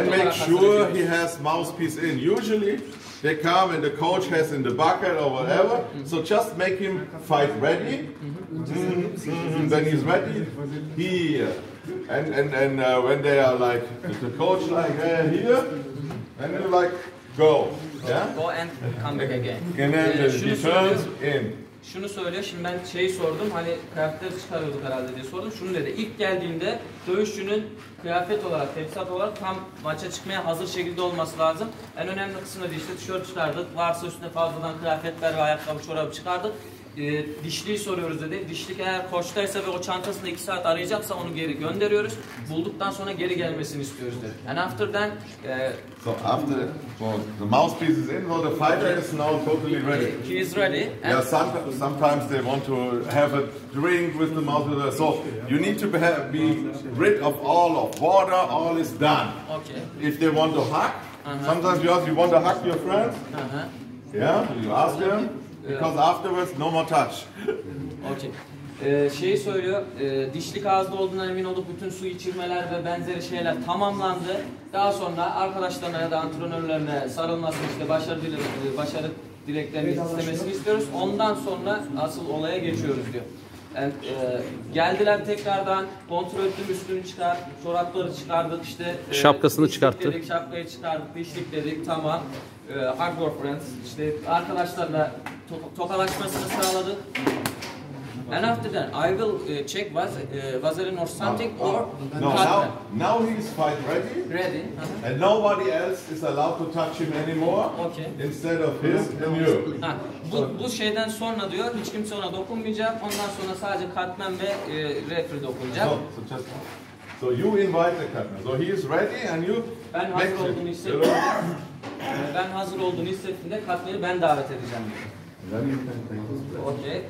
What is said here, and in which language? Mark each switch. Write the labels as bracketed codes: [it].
[en] and make sure he has mouthpiece in. Usually they come and the coach has in the bucket or whatever. So just make him fight ready. When he's ready, he and when they are like the coach like here, and then like go, yeah. Go and come back again. And then he turns in. [tr] Şunu söylüyor, şimdi ben şeyi sordum, hani kıyafetleri çıkarıyorduk herhalde diye sordum. Şunu dedi, ilk geldiğinde dövüşçünün kıyafet olarak, tefsat olarak tam maça çıkmaya hazır şekilde olması lazım. En önemli kısmı da işte tişört çıkardık, varsa üstüne fazladan kıyafetler ve ayakkabı, çorabı çıkardık. Dişliği soruyoruz dedi. Dişlik eğer koçtaysa ve o çantasını 2 saat arayacaksa onu geri gönderiyoruz. Bulduktan sonra geri gelmesini istiyoruz dedi. [en] And after then... So after the mouthpiece is in, well the fighter is now totally ready. He is ready. And yeah, sometimes they want to have a drink with the mouthpiece. So you need to be rid of all of water, all is done. Okay. If they want to hug, sometimes you want to hug your friends. Yeah, you ask them. Because afterwards no more touch. [tr] Okay. Şeyi söylüyor. Dişlik ağızda olduğuna emin olup bütün su içirmeler ve benzeri şeyler tamamlandı. Daha sonra arkadaşlarına ya da antrenörlerine sarılmasını işte başarı dileklerini istemesini istiyoruz. Ondan sonra asıl olaya geçiyoruz diyor. And, geldiler tekrardan kontrol ettim üstünü çıkar, çorapları çıkardık işte. Şapkasını çıkarttı. Dedik, şapkayı çıkardık, dişlik dedik tamam. Hardcore friends işte arkadaşlarla tokalaşmasını sağladık. [en] And after that I will check Vazelin or something or no, now, now he is quite ready. Ready. And nobody else is allowed to touch him anymore. Okay. Instead of him and you. [tr] Bu şeyden sonra diyor hiç kimse ona dokunmayacak. Ondan sonra sadece Cutman ve referee dokunacak. [en] So you invite the Cutman. So he is ready and you [tr] ben hazır olduğunu hissettiğinde ben hazır olduğunu hissettiğinde Cutman'ı ben davet edeceğim. Okay.